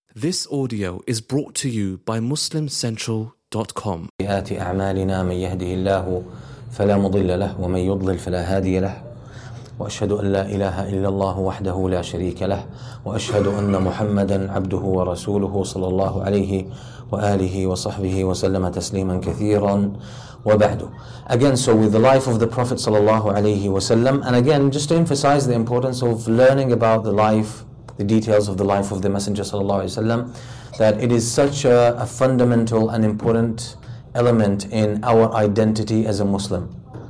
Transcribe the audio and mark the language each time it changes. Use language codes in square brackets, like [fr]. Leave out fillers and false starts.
[en] This audio is brought to you by MuslimCentral.com. [ar] بهات أعمالنا من يهده الله فلا مضل له ومن يضلل فلا هادي له وأشهد أن لا إله إلا الله وحده لا شريك له وأشهد أن محمدا عبده ورسوله صلى الله عليه وآله وصحبه وسلم تسليما كثيرا وبعده. [en] Again, so with the life of the Prophet صلى الله عليه وسلم, and again just to emphasize the importance of learning about the life, the details of the life of the Messenger sallallahu alaihi wasallam, that it is such a fundamental and important element in our identity as a Muslim.